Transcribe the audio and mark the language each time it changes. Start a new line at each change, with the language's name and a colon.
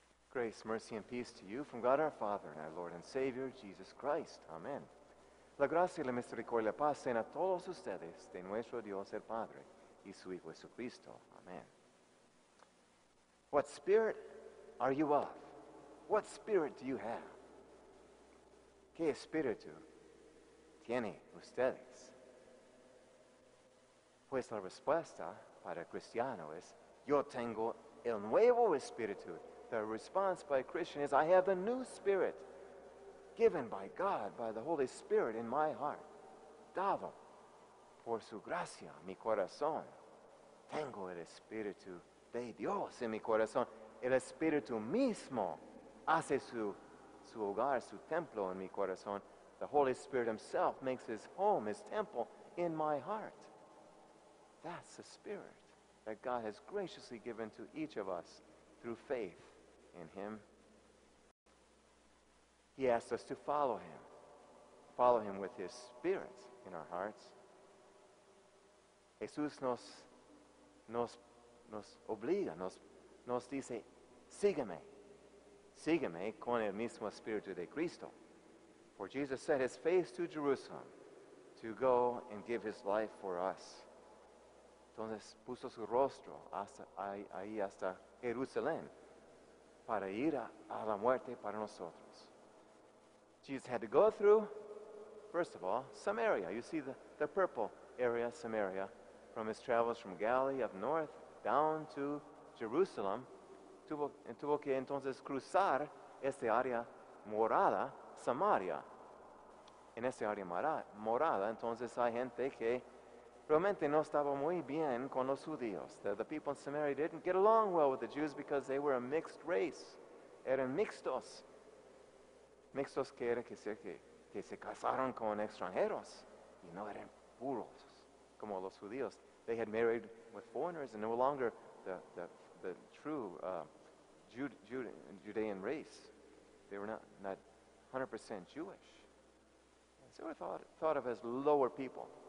English: Grace, mercy, and peace to you from God our Father and our Lord and Savior, Jesus Christ. Amen.
Spanish: La gracia y la misericordia pasen a todos ustedes de nuestro Dios el Padre y su Hijo Jesucristo.
English: Amen. What spirit are you of? What spirit do you have?
Spanish: ¿Qué espíritu tiene ustedes? Pues la respuesta para el cristiano es, yo tengo el nuevo espíritu.
English: The response by a Christian is, I have the new spirit given by God, by the Holy Spirit in my heart.
Spanish: Dado por su gracia mi corazón. Tengo el Espíritu de Dios en mi corazón. El Espíritu mismo hace su hogar, su templo en mi corazón.
English: The Holy Spirit himself makes his home, his temple in my heart. That's the spirit that God has graciously given to each of us through faith in him. He asks us to follow him with his spirit in our hearts.
Spanish: Jesús nos obliga, nos dice, sígueme con el mismo espíritu de Cristo.
English: For Jesus set his face to Jerusalem to go and give his life for us.
Spanish: Entonces puso su rostro hasta Jerusalén para ir a la muerte para nosotros.
English: Jesus had to go through, first of all, Samaria. You see the purple area, Samaria, from his travels from Galilee up north down to Jerusalem.
Spanish: Tuvo que entonces cruzar esta área morada, Samaria. En esta área morada, entonces hay gente que realmente no estaba muy bien con los judíos.
English: The people in Samaria didn't get along well with the Jews because they were a mixed race.
Spanish: Eran mixtos. Mixtos quiere decir que se casaron con extranjeros y no eran puros como los judíos.
English: They had married with foreigners and no longer the true Judean race. They were not 100% Jewish. And so they were thought of as lower people.